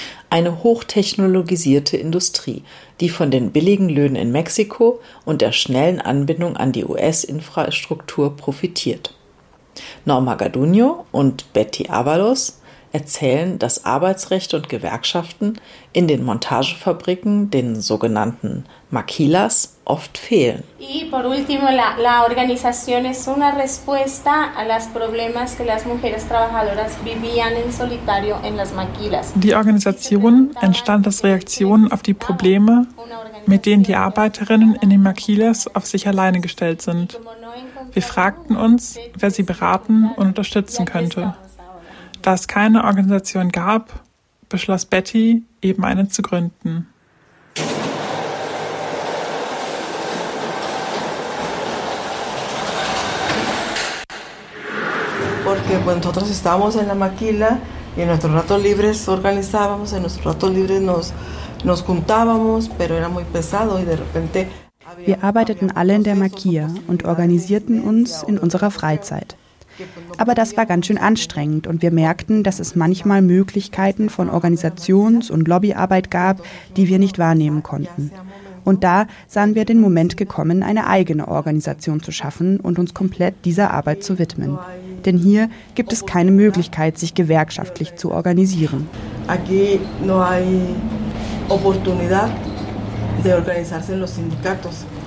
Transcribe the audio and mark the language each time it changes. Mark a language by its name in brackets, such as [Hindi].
[German] Eine hochtechnologisierte Industrie, die von den billigen Löhnen in Mexiko und der schnellen Anbindung an die US-Infrastruktur profitiert. Norma Garduno und Betty Avalos erzählen, dass Arbeitsrechte und Gewerkschaften in den Montagefabriken, den sogenannten Maquilas, oft fehlen. [Spanish] Y por último, la organización es una respuesta a los problemas que las mujeres trabajadoras vivían en solitario en las maquilas. [German] Die Organisation entstand als Reaktion auf die Probleme, mit denen die Arbeiterinnen in den Maquilas auf sich alleine gestellt sind. Wir fragten uns, wer sie beraten und unterstützen könnte. Da es keine Organisation gab, beschloss Betty, eben eine zu gründen. [Spanish] porque nosotros estábamos en la maquila y en nuestros ratos libres organizábamos, en nuestros ratos libres nos juntábamos, pero era muy pesado y de repente... [German] Wir arbeiteten alle in der Maquila und organisierten uns in unserer Freizeit. Aber das war ganz schön anstrengend und wir merkten, dass es manchmal Möglichkeiten von Organisations- und Lobbyarbeit gab, die wir nicht wahrnehmen konnten. Und da sahen wir den Moment gekommen, eine eigene Organisation zu schaffen und uns komplett dieser Arbeit zu widmen. Denn hier gibt es keine Möglichkeit, sich gewerkschaftlich zu organisieren. [Spanish] Aquí no hay oportunidad de organizarse en los sindicatos.